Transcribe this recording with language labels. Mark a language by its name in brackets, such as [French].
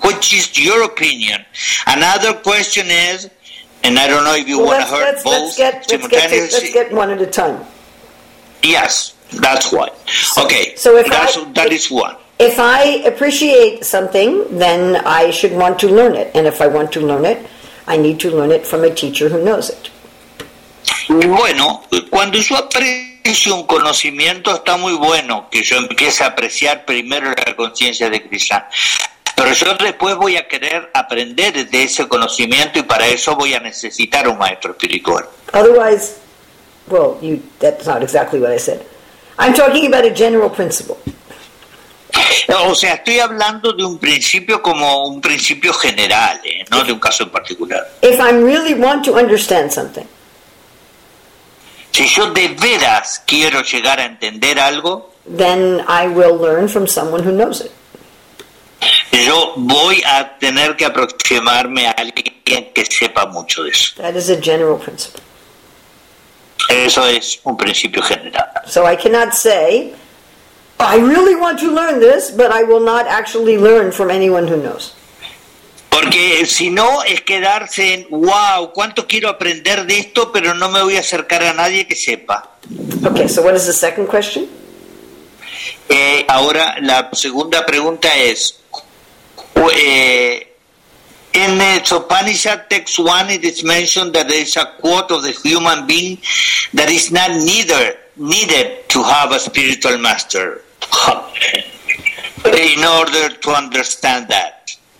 [English] Which is your opinion? Another question is, and I don't know if you want to hear both simultaneously. Let's get one at a time. Yes, that's why. Okay, so if that is one. If I appreciate something, then I should want to learn it. And if I want to learn it, I need to learn it from a teacher who knows it. [Spanish] Bueno, cuando yo aprecio un conocimiento, está muy bueno que yo empiece a apreciar primero la conciencia de Krishna. Pero yo después voy a querer aprender de ese conocimiento y para eso voy a necesitar un maestro espiritual. [English] Otherwise, well, you, that's not exactly what I said. I'm talking about a general principle. [Spanish] O sea, estoy hablando de un principio como un principio general, no de un caso en particular. [English] If I really want to understand something, [Spanish] si yo de veras quiero llegar a entender algo, [English] then I will learn from someone who knows it. [Spanish] Yo voy a tener que aproximarme a alguien que sepa mucho de eso. [English] That is a general principle. [Spanish] Eso es un principio general. [English] So I cannot say, I really want to learn this, but I will not actually learn from anyone who knows. [Spanish] Porque si no es quedarse en, wow, cuánto quiero aprender de esto, pero no me voy a acercar a nadie que sepa. [English] Okay, so what is the second question? [Spanish] Ahora, la segunda pregunta es, [English] in the Upanishad text 1, it is mentioned that there is a quote of the human being that is not needed to have a spiritual master in order to understand that.